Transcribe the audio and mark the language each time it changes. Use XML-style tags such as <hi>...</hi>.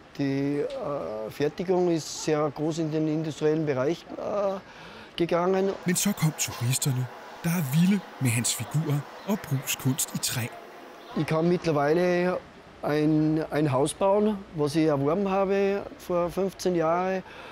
<de>Die Fertigung ist sehr groß in den industriellen Bereich gegangen.</de> <da>Men så kom turisterne, der er vilde med hans figurer og brugskunst i træ.</da> <de>Ich kann mittlerweile ein Haus bauen, was ich erworben habe vor 15 Jahren.</de>